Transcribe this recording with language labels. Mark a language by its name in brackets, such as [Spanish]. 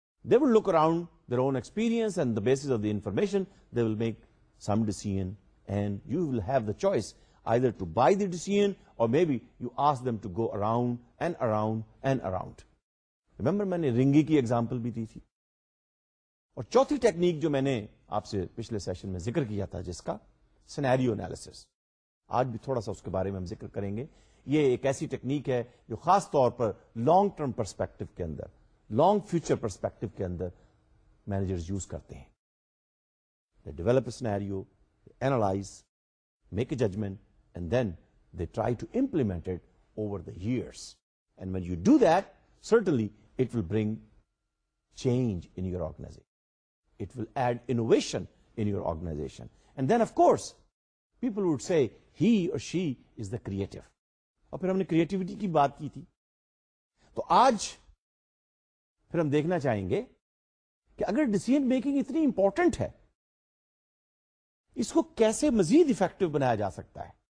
[English] They will look around their own experience and the basis of the information. They will make some decision and you will have the choice either to buy the decision or maybe you ask them to go around and around and around. [Urdu] Remember, میں نے رنگی کی example بھی دی تھی. اور چوتھی technique جو میں نے آپ سے پچھلے session میں ذکر کیا تھا, جس کا scenario analysis, آج بھی تھوڑا سا اس کے بارے میں ہم ذکر کریں گے. یہ ایک ایسی technique ہے جو خاص طور پر long term perspective کے اندر, long future perspective کے اندر managers use کرتے ہیں. [English] They develop a scenario, analyze, make a judgment, and then they try to implement it over the years. And when you do that, certainly it will bring change in your organization. It will add innovation in your organization. And then, of course, people would say, he or she is the creative. [Urdu] اور پھر ہم نے creativity کی بات کی تھی. تو آج پھر ہم دیکھنا چاہیں گے کہ اگر decision making اتنی important ہے, اس کو کیسے مزید افیکٹو بنایا جا سکتا ہے.